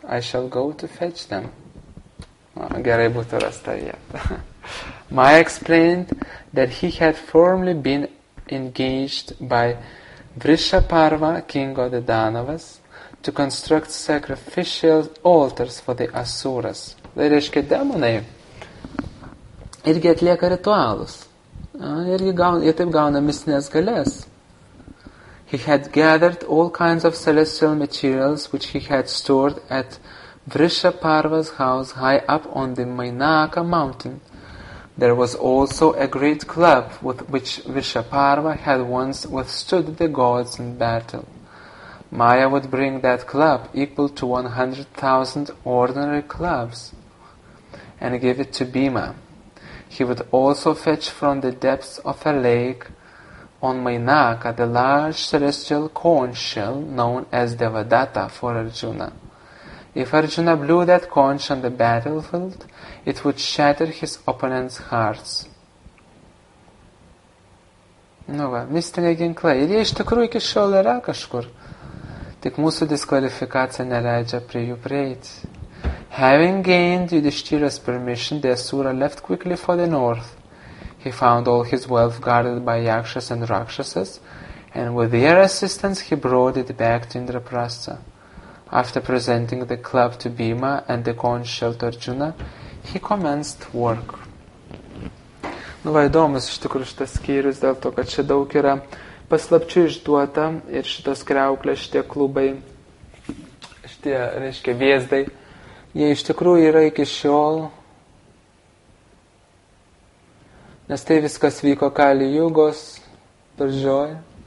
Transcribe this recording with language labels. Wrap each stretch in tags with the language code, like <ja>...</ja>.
<en>I shall go to fetch them.</en> <lt>Gerai būtų rasta vieta.</lt> <en>Maya explained that he had formerly been engaged by Vrishaparva, king of the Danavas, to construct sacrificial altars for the Asuras.</en> <lt>Tai reiškia, demonai irgi atlieka ritualus. Jie taip gauna mistinės galės.</lt> <en>He had gathered all kinds of celestial materials which he had stored at Vrishaparva's house high up on the Mainaka mountain. There was also a great club with which Vrishaparva had once withstood the gods in battle. Maya would bring that club equal to 100,000 ordinary clubs and give it to Bhima. He would also fetch from the depths of a lake on Mainaka the large celestial conch shell known as Devadatta for Arjuna. If Arjuna blew that conch on the battlefield, it would shatter his opponent's hearts.</en> <lt>Nu va, mistiniai ginklai. Ir jie iš tikrųjų iki šiol yra kažkur. Tik mūsų diskvalifikacija neleidžia prie jų prieiti.</lt> <en>Having gained Yudhishthira's permission, the Asura left quickly for the north. He found all his wealth guarded by Yakshas and Rakshasas, and with their assistance he brought it back to Indraprastha. After presenting the club to Bhima and the conch shell to Arjuna, he commenced work.</en> <lt>Nu va, įdomus iš tikrųjų šitas skyrius, dėl to, kad čia daug yra paslapčių išduota ir šitos kriauklės, šitie klubai, šitie, reiškia, viesdai, jie iš tikrųjų yra iki šiol, nes tai viskas vyko Kali Jugos pradžioje.</lt>